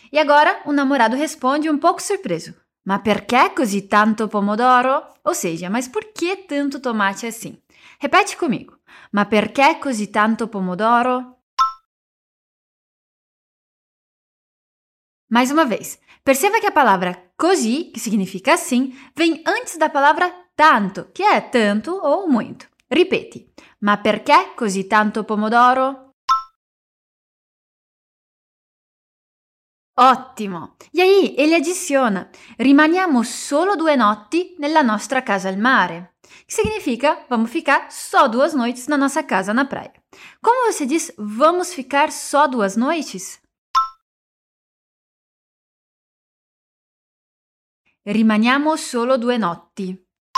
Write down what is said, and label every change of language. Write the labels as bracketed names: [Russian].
[Portuguese] E agora o namorado responde um pouco surpreso. [Italian] Ma perché così tanto pomodoro? [Portuguese] Ou seja, mas por que tanto tomate assim? Repete comigo. [Italian] Ma perché così tanto pomodoro? [Portuguese] Mais uma vez. Perceba que a palavra così, que significa assim, vem antes da palavra tanto, que é tanto ou muito. [Italian] Ripeti. Ma perché così tanto pomodoro? Ottimo! [Portuguese] E aí, ele adiciona, [Italian] rimaniamo solo 2 notti nella nostra casa al mare. [Portuguese] Que significa, vamos ficar só 2 noites na nossa casa na praia. Como você diz, vamos ficar só 2 noites? [Italian] Rimaniamo solo 2 notti.